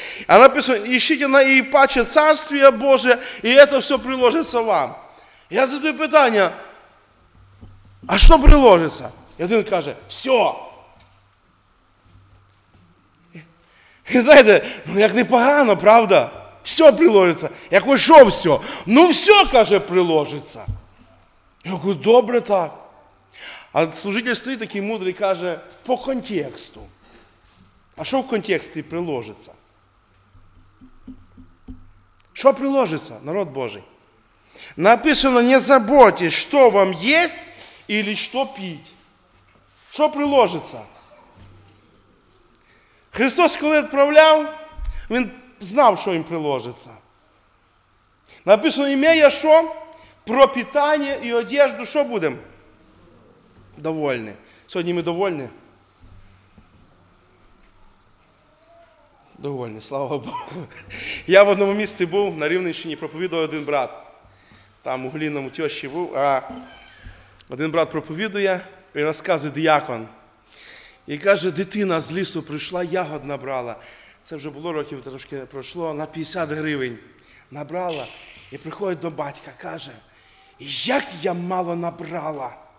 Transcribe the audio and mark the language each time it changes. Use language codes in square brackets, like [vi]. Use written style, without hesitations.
[uk] А написано, [ru] ищите на і паче Царствие Боже, [uk] і це все приложиться вам. Я задаю питання, а що приложиться? І один каже, все. І знаєте, ну як непогано, правда? Все приложиться. Я кажу, що все? Ну все, каже, приложиться. Я кажу, добре так. А служитель стоїть такий мудрий, каже, по контексту. А що в контексті приложиться? Що приложиться, народ Божий? [ru] Написано, не заботьтесь, [uk] що вам єсть, [ru] или что пить. Что приложится? Христос, когда отправлял, Он знал, что им приложится. Написано, имея что? Про питание и одежду. Что будем? Довольны. Сегодня мы довольны? Довольны, слава Богу. Я в одном месте был, на Рівненщині проповедовал один брат. Там у Глинному тещи был, [uk] Один брат проповідує і розказує діякон. І каже, дитина з лісу прийшла, ягод набрала. Це вже було років, трошки пройшло, на 50 гривень набрала. І приходить до батька, каже, як я мало набрала.